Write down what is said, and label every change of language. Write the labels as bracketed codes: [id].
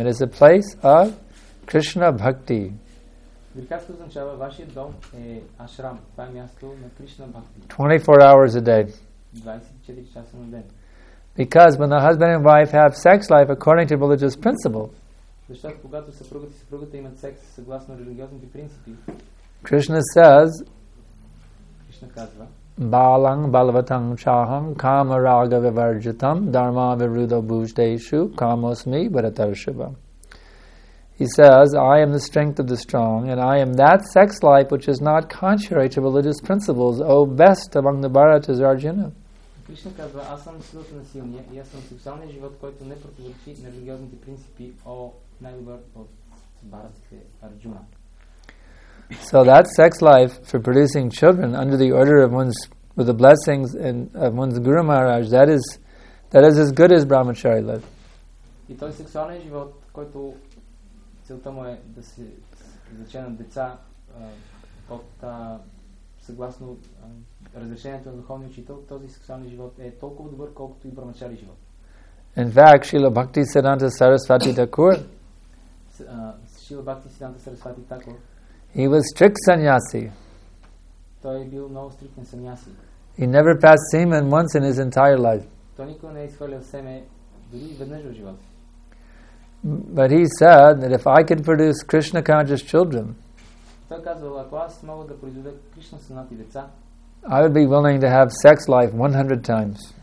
[en] It is a place of Krishna bhakti. Grihastha means your home is an ashram. It is a place of Krishna bhakti. 24 hours a day. 24 hours a day. Because when the husband and wife have sex life according to religious principle, [bg] защото когато съпругът и съпругата имат секс съгласно религиозните принципи, [en] Krishna says, [bg] Кришна казва: [sa] Балаң балаватан чахам кама рага виварджитам дарма вируда буждешу камосми варатаршива. [en] He says, I am the strength of the strong, and I am that sex life which is not contrary to religious principles, O best among the Bharatas, Arjuna. [bg] Krishna казва, аз съм силата на силния, и аз съм сексуалния живот, който не противоречи на религиозните принципи, о най-добър от Бхаратите, Арджуна. [en] So that sex life for producing children under the order of one's, with the blessings and of one's Guru Maharaj, that is as good as Brahmachari life. [bg] И той сексуален живот, който целта му е да се зачена деца от съгласно разрешението на духовния учител, този сексуален живот е толкова добър, колкото и Брахмачари живот. [en] In fact, Srila Bhakti Siddhanta Sarasvati Thakur, [bg] Srila Bhakti Siddhanta Sarasvati Thakur, [en] he was strict sannyasi. [bg] Той е бил много стриктен сан'яси. [en] He never passed semen once in his entire life. [bg] Той никога не е изхвърлял семе дори веднъж в живота. [en] But he said that if I can produce Krishna conscious children, [bg] той казвал, ако аз мога да произведа Кришна сънати деца, [en] I would be willing to have sex life 100 times.